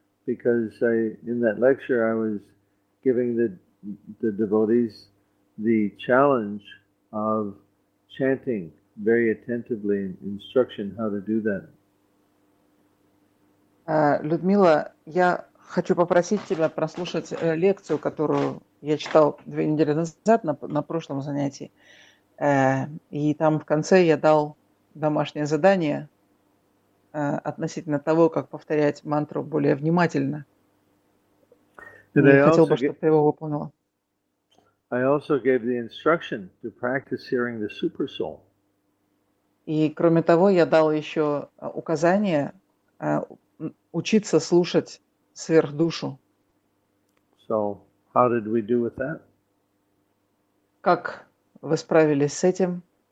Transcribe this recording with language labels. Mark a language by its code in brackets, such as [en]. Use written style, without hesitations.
[en] because I, in that lecture, I was giving the devotees the challenge of chanting very attentively, instruction how to do that. [ru] Людмила, я хочу попросить тебя прослушать лекцию, которую я читал 2 недели назад на прошлом занятии. И там в конце я дал домашнее задание относительно того, как повторять мантру более внимательно. [en] And [ru] и хотел бы, чтобы ты его выполнила. [en] I also gave the instruction to practice hearing the super soul. [ru] И кроме того, я дал еще указание учиться слушать сверхдушу. [en] So, how did we do with that? [ru] Как вы справились с этим?